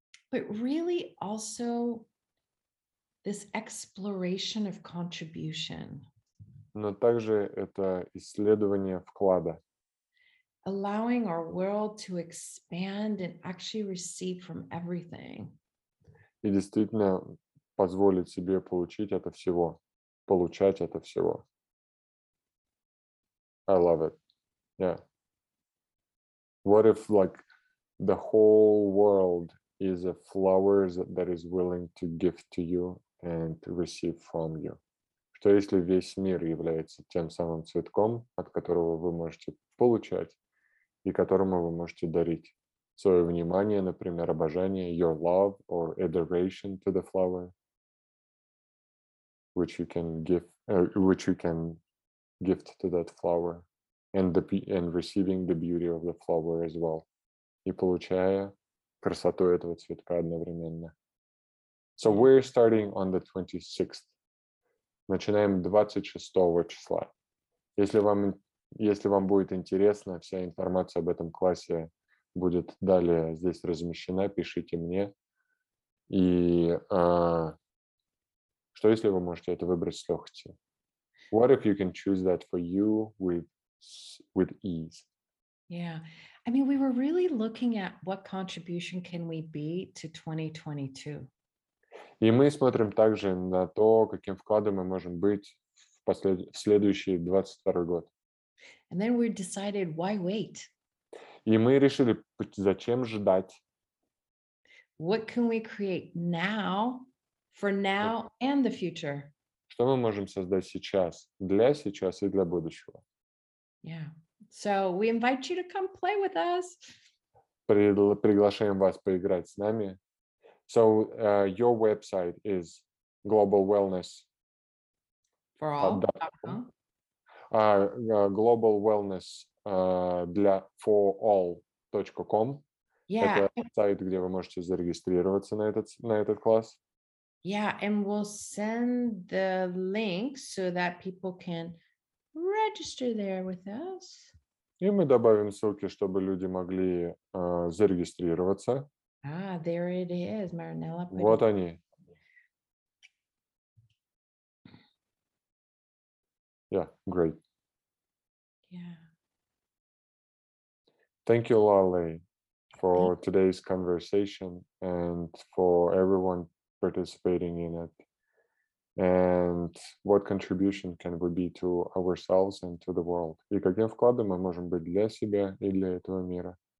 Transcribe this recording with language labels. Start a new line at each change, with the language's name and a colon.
English: But really also this exploration of contribution.
Russian: Но также это исследование вклада.
English: Allowing our world to expand and actually receive from everything.
Russian: И действительно позволить себе получить это всего, получать это всего.
English: I love it. Yeah. What if, like, the whole world is a flower that is willing to give to you and receive from you?
Russian: Что если весь мир является тем самым цветком, от которого вы можете получать и которому вы можете дарить свое внимание, например, обожание,
English: your love or adoration to the flower, which you can give, which you can gift to that flower, and receiving the beauty of the flower as well,
Russian: и получая красоту этого цветка одновременно.
English: So we're starting on the 26th.
Russian: Начинаем 26 числа. Если вам будет интересно, вся информация об этом классе будет далее здесь размещена. Пишите мне. И что если вы можете это выбрать с легкостью?
English: What if you can choose that for you with ease? Yeah. I mean, we were really looking at what contribution can we be to 2022.
Russian: И мы смотрим также на то, каким вкладом мы можем быть в следующий 22 год.
English: And then we decided, why wait?
Russian: И мы решили, зачем ждать?
English: What can we create now, for now and the future?
Russian: Что мы можем создать сейчас, для сейчас и для будущего?
English: Yeah. So we invite you to come play with us.
Russian: Приглашаем вас поиграть с нами.
English: So your website is globalwellnessforall.com. Globalwellnessforall.com. Yeah.
Russian: Это сайт, где вы можете зарегистрироваться на этот класс.
English: Yeah, and we'll send the link so that people can register there with us.
Russian: И мы добавим ссылки, чтобы люди могли зарегистрироваться.
English: Ah, there it is, Marinella.
Russian: Вот они.
English: Yeah, great. Yeah. Thank you, Lale, for today's conversation and for everyone participating in it. And what contribution can we be to ourselves and to the world?
Russian: И каким вкладом мы можем быть для себя и для этого мира?